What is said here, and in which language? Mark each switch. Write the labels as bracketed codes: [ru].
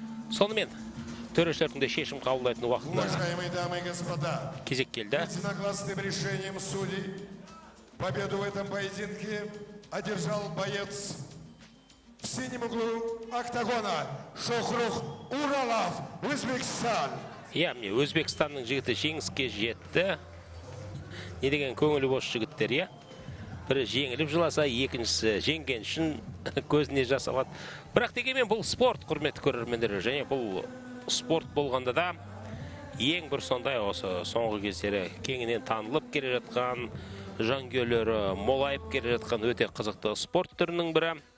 [kk] Сонымен төрешілердің де шешім қабылдайтын уақытына кезек келді. [ru] Единогласным решением судей победу в этом поединке одержал боец в синем углу октагона Шохрух Уралов, Өзбекстан. [kk] Яғни Өзбекстанның жігіті жеңіске жетті. Не деген көңілі бос жігіттер, бір женгіліп жыласа, екіншісі женген үшін көзіне жасалат. Бірақ дегенмен бұл спорт, құрметті көрермендер, және бұл спорт болғанда да ең бір сондай осы соңғы кездері кеңінен танылып келе жатқан, жанкүйерлері молайып келе жатқан өте қызықты спорт түрінің бірі.